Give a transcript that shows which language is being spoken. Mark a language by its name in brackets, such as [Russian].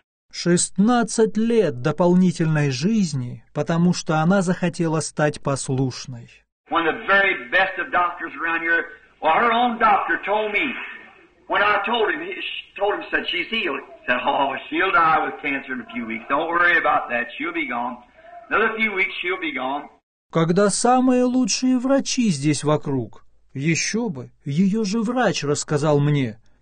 [Russian] 16 лет дополнительной жизни, потому что она захотела стать послушной. [English] One of the very best of doctors around here. Well, her own doctor told me when I told him, said she's healed. He said, oh, she'll die with cancer in a few weeks. Don't worry about that. She'll be gone. Another few weeks, she'll be gone. [Russian] Когда самые лучшие врачи здесь вокруг. Еще бы, ее же врач рассказал мне.